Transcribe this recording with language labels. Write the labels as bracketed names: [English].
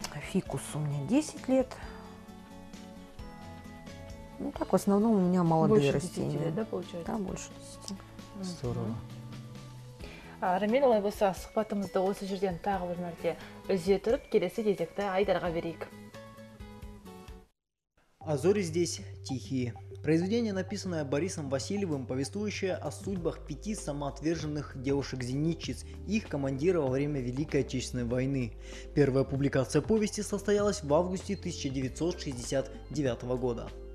[Russian] Фикус у меня 10 лет, ну, так, в основном у меня молодые растения. Больше 10 лет, да, получается? Да, больше 10. Здорово. [Kazakh] Рамиль Лайбуса, сұхбатымызды осы жерден тағы бір мәрте үзе тұрып, келесі кезекті Айдарға берейік. [Russian] Азори здесь тихие. Произведение, написанное Борисом Васильевым, повествующее о судьбах пяти самоотверженных девушек-зенитчиц, их командира во время Великой Отечественной войны. Первая публикация повести состоялась в августе 1969 года.